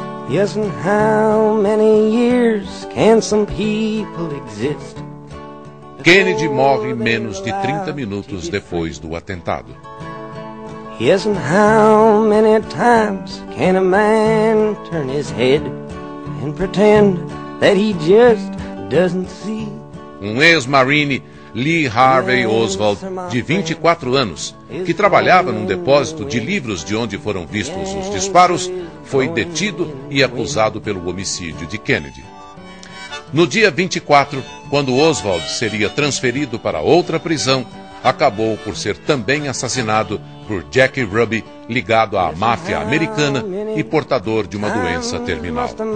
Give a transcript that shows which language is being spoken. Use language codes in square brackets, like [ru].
[en] Yes, and how many years can some people exist? [pt] Kennedy morre menos de 30 minutos depois do atentado. [en] Yes, and how many times can a man turn his head and pretend that he just doesn't see? [pt] Um ex-marine, Lee Harvey Oswald, de 24 anos, que trabalhava num depósito de livros de onde foram vistos os disparos, foi detido e acusado pelo homicídio de Kennedy. No dia 24, quando Oswald seria transferido para outra prisão, acabou por ser também assassinado por Jack Ruby, ligado à máfia americana e portador de uma doença terminal.